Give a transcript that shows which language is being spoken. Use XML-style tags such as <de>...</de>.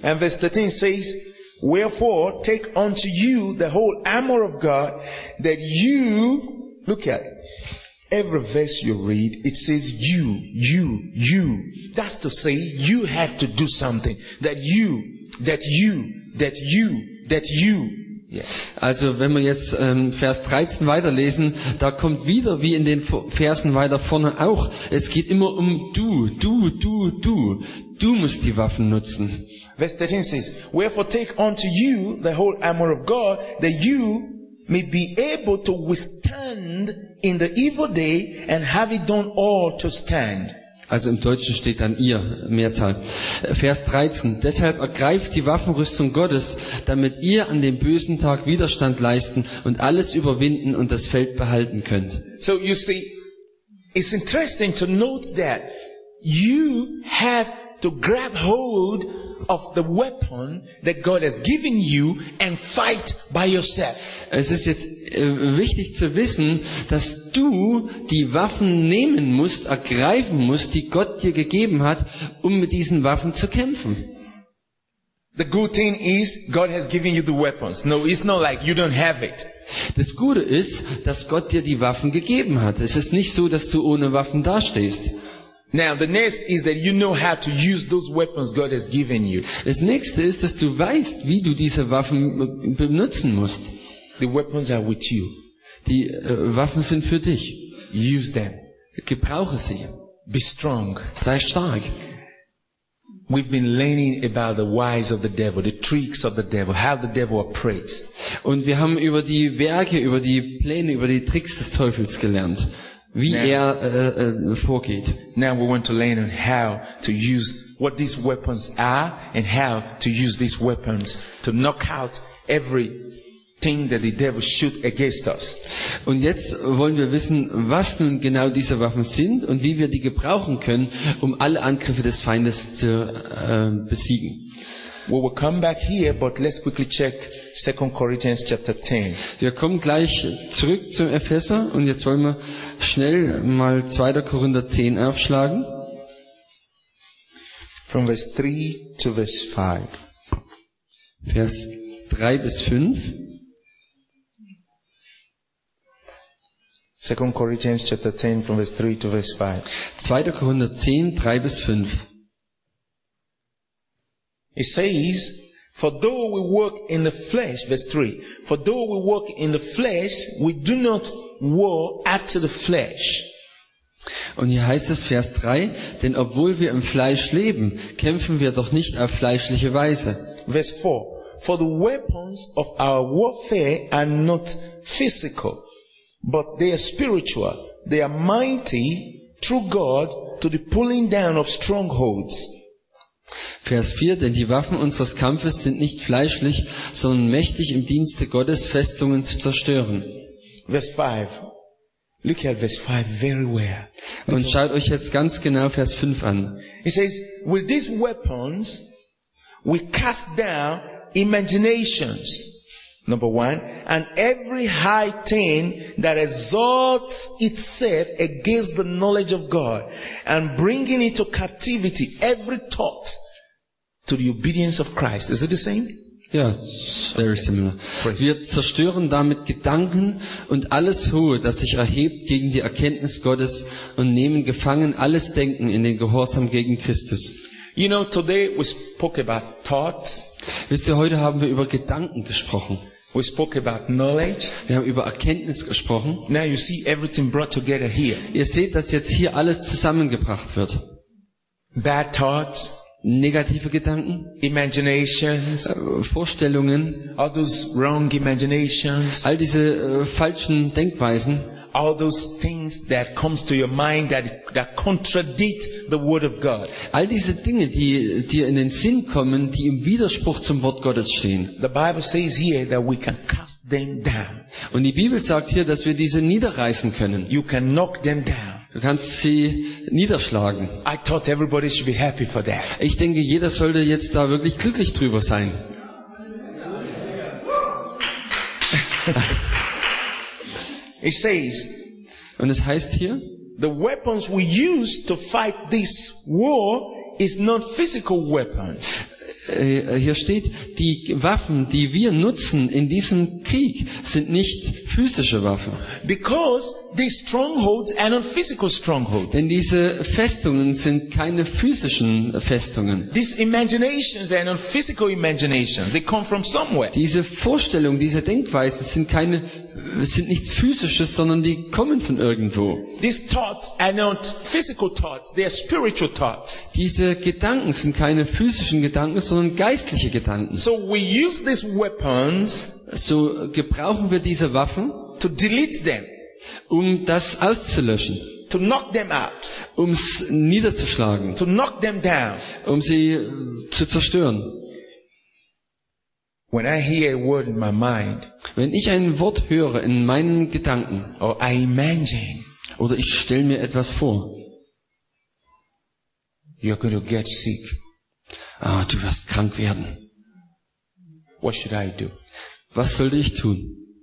<en>And verse 13 says, wherefore take unto you the whole armor of God, that you, look at it, every verse you read, it says you, you, you. That's to say, you have to do something, that you, that you, that you, that you,</en> <de>Also wenn wir jetzt Vers 13 weiterlesen, da kommt wieder, wie in den Versen weiter vorne auch, es geht immer um du. Du musst die Waffen nutzen.</de> <en>Vers 13 says, wherefore take unto you the whole armor of God, that you may be able to withstand in the evil day and have it done all to stand.</en> <de>Also im Deutschen steht dann ihr, Mehrzahl. Vers 13. Deshalb ergreift die Waffenrüstung Gottes, damit ihr an dem bösen Tag Widerstand leisten und alles überwinden und das Feld behalten könnt.</de> <en>So you see, it's interesting to note that you have to grab hold of the weapon that God has given you and fight by yourself.</en> <de>Es ist jetzt wichtig zu wissen, dass du die Waffen nehmen musst, ergreifen musst, die Gott dir gegeben hat, um mit diesen Waffen zu kämpfen.</de> <en>The good thing is God has given you the weapons. No, it's not like you don't have it.</en> <de>Das Gute ist, dass Gott dir die Waffen gegeben hat. Es ist nicht so, dass du ohne Waffen dastehst.</de> <en>Now the next is that you know how to use those weapons God has given you.</en> <de>Das nächste ist, dass du weißt, wie du diese Waffen benutzen musst.</de> <en>The weapons are with you.</en> <de>Die Waffen sind für dich.</de> <en>Use them.</en> <de>Gebrauche sie.</de> <en>Be strong.</en> <de>Sei stark.</de> <en>We've been learning about the wiles of the devil, the tricks of the devil, how the devil operates.</en> <de>Und wir haben über die Werke, über die Pläne, über die Tricks des Teufels gelernt. Wie</de> <en>now,</en> <de>er vorgeht.</de> <en>Now we want to learn on how to use what these weapons are and how to use these weapons to knock out everything that the devil shoots against us.</en> <de>Und jetzt wollen wir wissen, was nun genau diese Waffen sind und wie wir die gebrauchen können, um alle Angriffe des Feindes zu besiegen.</de> <en>We will come back here, but let's quickly check 2 Corinthians chapter 10.</en> <de>Wir kommen gleich zurück zum Epheser und jetzt wollen wir schnell mal 2. Korinther 10 aufschlagen.</de> <en>From verse 3 to verse 5.</en> <de>Vers 3 bis 5.</de> <en>2 Corinthians chapter 10 from verse 3 to verse 5.</en> <de>2. Korinther 10, 3 bis 5.</de> <en>It says, for though we walk in the flesh, verse 3, for though we walk in the flesh, we do not war after the flesh.</en> <de>Und hier heißt es, Vers 3, denn obwohl wir im Fleisch leben, kämpfen wir doch nicht auf fleischliche Weise.</de> <en>Verse 4, for the weapons of our warfare are not physical, but they are spiritual, they are mighty through God to the pulling down of strongholds.</en> <de>Vers 4, denn die Waffen unseres Kampfes sind nicht fleischlich, sondern mächtig im Dienste Gottes, Festungen zu zerstören.</de> <en>Vers 5. Look at verse 5 very well.</en> <de>Und schaut euch jetzt ganz genau Vers 5 an.</de> <en>He says, with these weapons, we cast down imaginations, number one, and every high thing that exalts itself against the knowledge of God, and bringing into captivity every thought to the obedience of Christ. Is it the same? Yeah, very similar. Praise.</en> <de>Wir zerstören damit Gedanken und alles Hohe, das sich erhebt gegen die Erkenntnis Gottes, und nehmen gefangen alles Denken in den Gehorsam gegen Christus.</de> <en>You know, today we spoke about thoughts.</en> <de>Wisst ihr, heute haben wir über Gedanken gesprochen.</de> <en>We spoke about knowledge.</en> <de>Wir haben über Erkenntnis gesprochen.</de> <en>Now you see everything brought together here.</en> <de>Ihr seht, dass jetzt hier alles zusammengebracht wird.</de> <en>Bad thoughts.</en> <de>Negative Gedanken,</de> <en>imaginations,</en> <de>Vorstellungen,</de> <en>all those wrong imaginations,</en> <de>all diese falschen Denkweisen,</de> <en>all those things that comes to your mind that contradict the word of God,</en> <de>all diese Dinge, die dir in den Sinn kommen, die im Widerspruch zum Wort Gottes stehen.</de> <en>The Bible says here that we can cast them down.</en> <de>Und die Bibel sagt hier, dass wir diese niederreißen können.</de> <en>You can knock them down.</en> <de>Du kannst sie niederschlagen.</de> <en>I thought everybody should be happy for that.</en> <de>Ich denke, jeder sollte jetzt da wirklich glücklich drüber sein.</de> <en>It says,</en> <de>und es heißt hier,</de> <en>the weapons we use to fight this war is not physical weapons.</en> <de>hier steht, die Waffen, die wir nutzen in diesem Krieg, sind nicht physische Waffen.</de> <en>Because these strongholds are not physical strongholds.</en> <de>Denn diese Festungen sind keine physischen Festungen.</de> <en>These imaginations are not physical imaginations. They come from somewhere.</en> <de>Diese Vorstellungen, diese Denkweisen sind keine, sind nichts Physisches, sondern die kommen von irgendwo.</de> <en>These thoughts are not physical thoughts. They are spiritual thoughts.</en> <de>Diese Gedanken sind keine physischen Gedanken, sondern geistliche Gedanken.</de> <en>So we use these weapons.</en> <de>So gebrauchen wir diese Waffen,</de> <en>to delete them,</en> <de>um das auszulöschen,</de> <en>to knock them out,</en> <de>um es niederzuschlagen,</de> <en>to knock them down,</en> <de>um sie zu zerstören.</de> <en>When I hear a word in my mind,</en> <de>wenn ich ein Wort höre in meinen Gedanken,</de> <en>or I imagine,</en> <de>oder ich stelle mir etwas vor,</de> <en>you're going to get sick.</en> <de>Oh, du wirst krank werden.</de> <en>What should I do?</en> <de>Was sollte ich tun?</de>